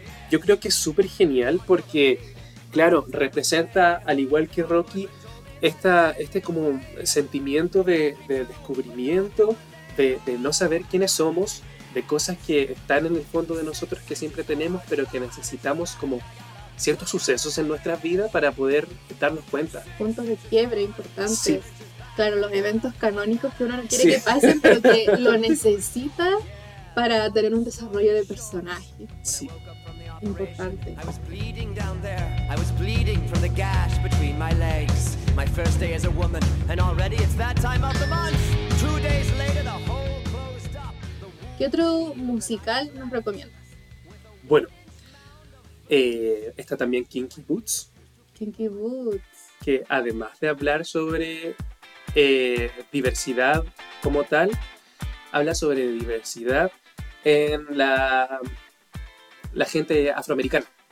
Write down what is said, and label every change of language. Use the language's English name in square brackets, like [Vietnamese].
[Spanish] Yo creo que es súper genial porque, claro, representa, al igual que Rocky, este como sentimiento de descubrimiento, de no saber quiénes somos, de cosas que están en el fondo de nosotros que siempre tenemos, pero que necesitamos como ciertos sucesos en nuestra vida para poder darnos cuenta. Puntos de quiebre importantes. Sí. Claro, los eventos canónicos que uno no quiere sí. que pasen, pero que lo necesita para tener un desarrollo de personaje. Sí. Importante. [English] I was bleeding down there. I was bleeding from the gash between my legs. My first day as a woman, and already it's that time of the month. 2 days later, the whole closed up. [Spanish] ¿Qué otro musical nos recomiendas? Bueno, está también Kinky Boots. Kinky Boots. Que además de hablar sobre diversidad como tal, habla sobre diversidad en la gente afroamericana.